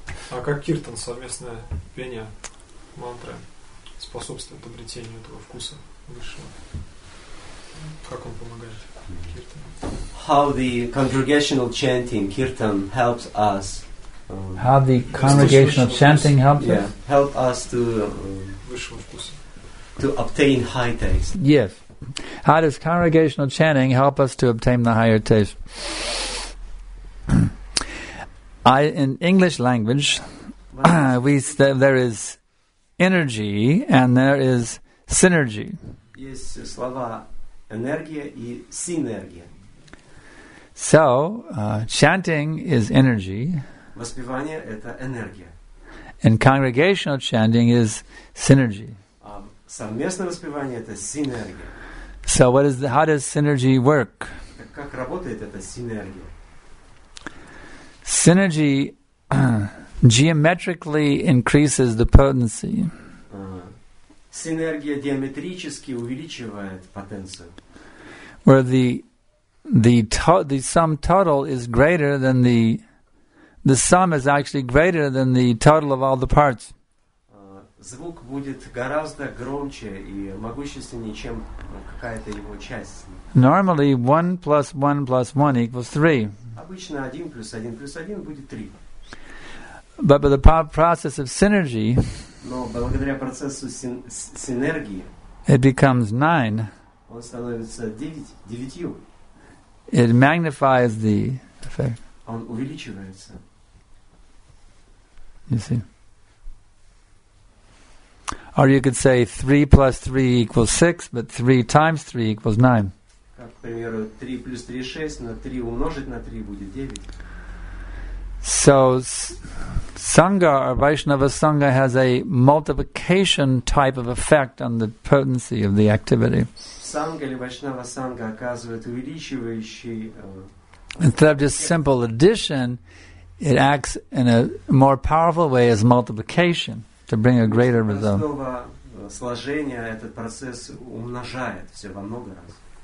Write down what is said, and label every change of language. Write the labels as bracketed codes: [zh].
[ru] А как киртан, совместное пение мантры с способствует обретению этого вкуса высшего? Как он помогает киртан? [en] How the congregational chanting kirtan helps us? How the congregational chanting helps us? Help us to [ru] высшего вкуса. [en] To obtain high taste. Yes. How does congregational chanting help us to obtain the higher taste? In English language, there is energy and there is synergy. Yes, [ru] слова энергия и синергия. [en] So, chanting is energy. [ru] Воспевание это энергия. [en] And congregational chanting is synergy. [ru] Совместное воспевание это синергия. [en] So, how does synergy work? [ru] Как работает эта синергия? [en] Synergy geometrically increases the potency. [ru] Синергия геометрически увеличивает потенцию. [en] Where the sum total is greater than the sum is actually greater than the total of all the parts. [ru] Звук будет гораздо громче и могущественнее, чем какая-то его часть. [en] Normally, 1 plus 1 plus 1 equals 3. [ru] Обычно 1 плюс 1 плюс 1 будет 3. [en] But by the process of synergy, [ru] но благодаря процессу синергии, [en] it becomes 9. [ru] Он становится 9. [en] It magnifies the effect. [ru] Он увеличивается. [en] You see? Or you could say 3 plus 3 equals 6, but 3 times 3 equals 9. [ru] Как, к примеру, 3 плюс 3 – 6, но 3 умножить на 3 будет 9. [en] So, Sangha, or Vaishnava Sangha, has a multiplication type of effect on the potency of the activity. [ru] Sangha или Vaishnava Sangha оказывает увеличивающий… [en] Instead of just simple addition, it acts in a more powerful way as multiplication. To bring a greater result. [ru] Сложения этот процесс умножает все во много раз.